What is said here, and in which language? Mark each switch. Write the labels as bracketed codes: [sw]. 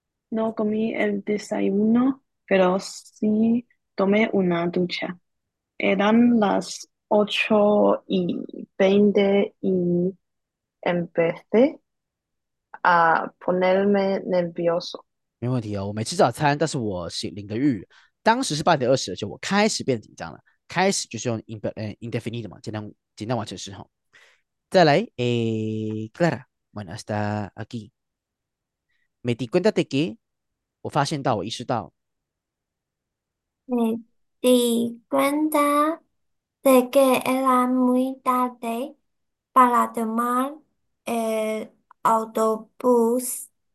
[es] No comí el desayuno, pero sí tomé una ducha. Eran las 8:20 y empecé a ponerme nervioso. [zh] 没问题哦，我没吃早餐，但是我是淋个浴。当时是8:20，就我开始变紧张了。开始就是用 indefinite 嘛，简单完成式哈。再来， [es] Clara, bueno, está aquí. Me di cuenta de que [zh] 我发现到，我意识到。 [es] Me di cuenta de que era muy tarde para tomar el autobús